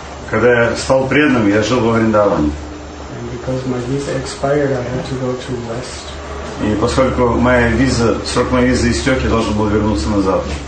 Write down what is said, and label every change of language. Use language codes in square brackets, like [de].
[ru] когда я стал преданным, я жил во Вриндаване. [en] And because my visa expired, I had to go to West. [ru] И поскольку моя виза, срок моей визы истек, я должен был вернуться назад.